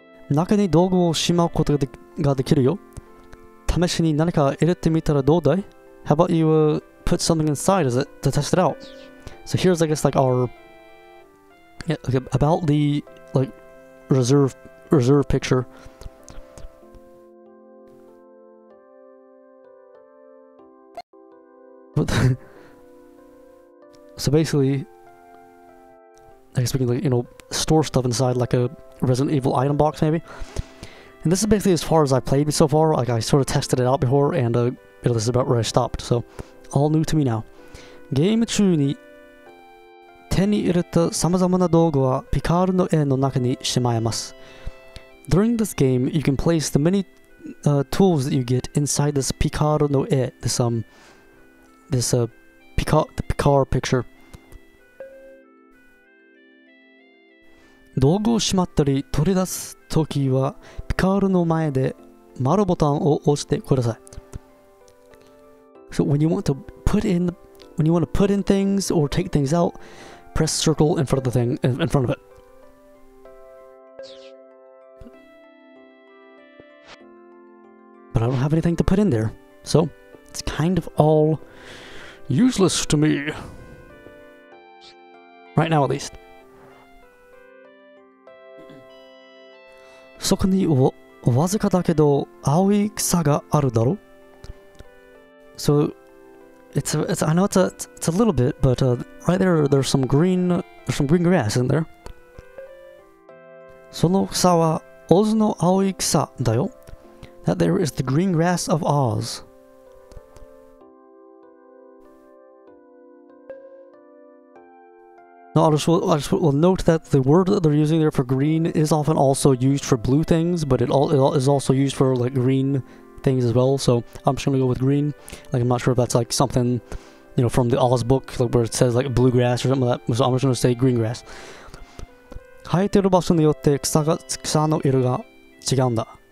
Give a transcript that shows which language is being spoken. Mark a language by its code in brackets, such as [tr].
[ja] 中に道具をしまうことができるよ。試しに何か入れてみたらどうだい? [en] How about you put something inside is it to test it out? So here's, I guess, like our... Yeah, okay, about the, like, reserve picture. But so basically, I guess we can, like, you know, store stuff inside like a Resident Evil item box, maybe? And this is basically as far as I've played so far. Like, I sort of tested it out before, and this is about where I stopped. So, all new to me now. [ja] ゲーム中に手に入れた様々な道具はピカールの絵の中にしまえます。 [en] During this game, you can place the many tools that you get inside this ピカールの絵, this Picard picture. [ja] 道具をしまったり取り出すときはピカールの前で丸ボタンを押してください。 [en] So when you want to put in things or take things out, press circle in front of the thing in front of it. But I don't have anything to put in there, so it's kind of all useless to me. Right now, at least. [ja] そこにわずかだけど青い草があるだろ? [en] So, it's a little bit, but right there's some green grass, isn't there? [ja] その草はオズの青い草だよ。 [en] That there is the green grass of Oz. No, I'll note that the word that they're using there for green is often also used for blue things, but it is also used for like green things as well. So I'm just gonna go with green. Like I'm not sure if that's like something, you know, from the Oz book, like where it says like bluegrass or something like that. So I'm just gonna say green grass. [ja] 生えてる場所によって草の色が違うんだ。